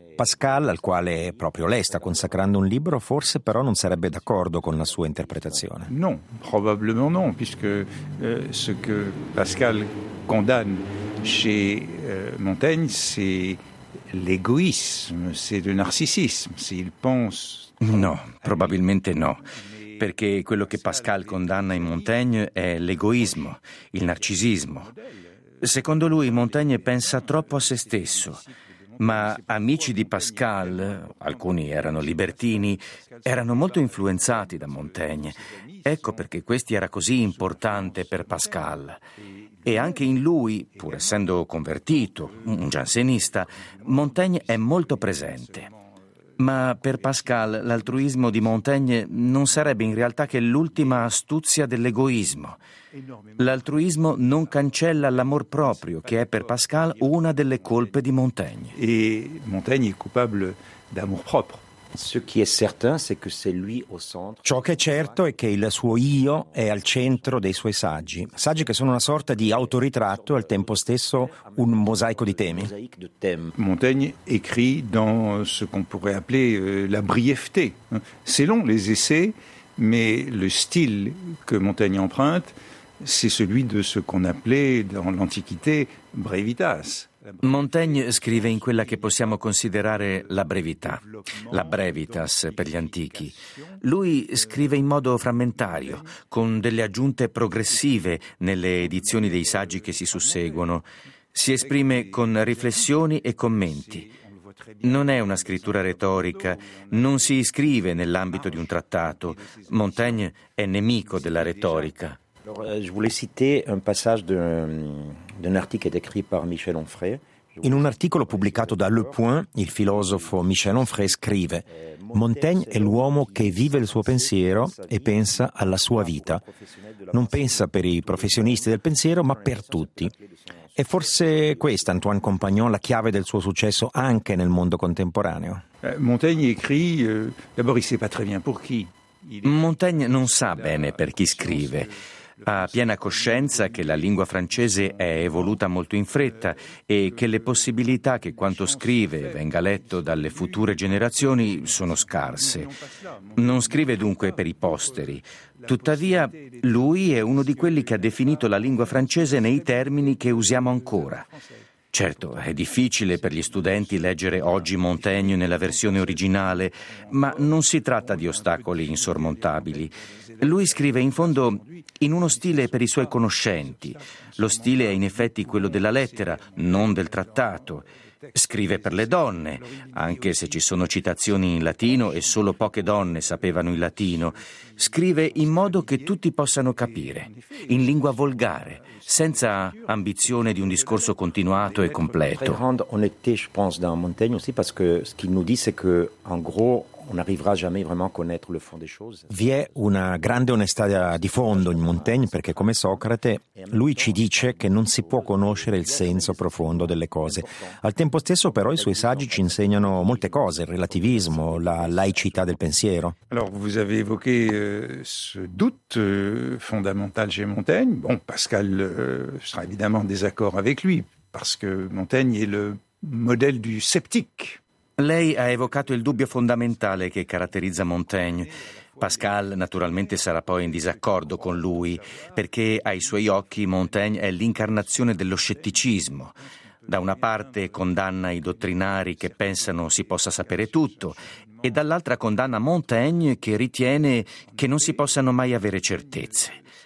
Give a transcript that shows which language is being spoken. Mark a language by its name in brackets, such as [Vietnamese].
[Italian] Pascal, al quale è proprio lei sta consacrando un libro, forse però non sarebbe d'accordo con la sua interpretazione. [French] Non, probablement non, puisque ce que Pascal condanne chez Montaigne, c'est l'égoïsme, c'est le narcissisme, s'il pense. [Italian] No, probabilmente no. Perché quello che Pascal condanna in Montaigne è l'egoismo, il narcisismo. Secondo lui Montaigne pensa troppo a se stesso, ma amici di Pascal, alcuni erano libertini, erano molto influenzati da Montaigne. Ecco perché questi era così importante per Pascal. E anche in lui, pur essendo convertito, un giansenista, Montaigne è molto presente. Ma per Pascal l'altruismo di Montaigne non sarebbe in realtà che l'ultima astuzia dell'egoismo. L'altruismo non cancella l'amor proprio, che è per Pascal una delle colpe di Montaigne. E Montaigne è [French] coupable d'amour propre. Ce qui est certain, c'est que c'est lui au centre. [Italian] Ciò che è certo è che il suo io è al centro dei suoi saggi. Saggi che sono una sorta di autoritratto e al tempo stesso un mosaico di temi. [French] Montaigne écrit dans ce qu'on pourrait appeler la brièveté. C'est long, les essais, mais le style que Montaigne emprunte, c'est celui de ce qu'on appelait dans l'Antiquité brevitas. [Italian] Montaigne scrive in quella che possiamo considerare la brevità, la brevitas per gli antichi. Lui scrive in modo frammentario, con delle aggiunte progressive nelle edizioni dei saggi che si susseguono. Si esprime con riflessioni e commenti. Non è una scrittura retorica, non si iscrive nell'ambito di un trattato. Montaigne è nemico della retorica. [French] Je voulais citer un passage de d'un article écrit par Michel Onfray. [Italian] In un articolo pubblicato da Le Point, il filosofo Michel Onfray scrive: Montaigne è l'uomo che vive il suo pensiero e pensa alla sua vita. Non pensa per i professionisti del pensiero, ma per tutti. E forse questa, Antoine Compagnon, la chiave del suo successo anche nel mondo contemporaneo. [French] Montaigne écrit d'abord il sait pas très bien pour qui. [Italian] Montaigne non sa bene per chi scrive. Ha piena coscienza che la lingua francese è evoluta molto in fretta e che le possibilità che quanto scrive venga letto dalle future generazioni sono scarse. Non scrive dunque per i posteri. Tuttavia, lui è uno di quelli che ha definito la lingua francese nei termini che usiamo ancora. Certo, è difficile per gli studenti leggere oggi Montaigne nella versione originale, ma non si tratta di ostacoli insormontabili. Lui scrive in fondo in uno stile per i suoi conoscenti. Lo stile è in effetti quello della lettera, non del trattato. Scrive per le donne, anche se ci sono citazioni in latino e solo poche donne sapevano il latino. Scrive in modo che tutti possano capire, in lingua volgare, senza ambizione di un discorso continuato e completo. [French] Honnêteté, je pense, dans Montaigne aussi, parce que ce qu'il nous dit, c'est que, en gros, on n'arrivera jamais vraiment à connaître le fond des choses. [Italian] Vi è una grande onestà di fondo in Montaigne, perché come Socrate, lui ci dice che non si può conoscere il senso profondo delle cose. Al tempo stesso, però, i suoi saggi ci insegnano molte cose, il relativismo, la laicità del pensiero. [French] Alors, vous avez évoqué ce doute fondamental chez Montaigne. Bon, Pascal sera évidemment en désaccord avec lui, parce que Montaigne est le modèle du sceptique. [Italian] Lei ha evocato il dubbio fondamentale che caratterizza Montaigne. Pascal naturalmente sarà poi in disaccordo con lui, perché ai suoi occhi Montaigne è l'incarnazione dello scetticismo. Da una parte condanna i dottrinari che pensano si possa sapere tutto, e dall'altra condanna Montaigne che ritiene che non si possano mai avere certezze.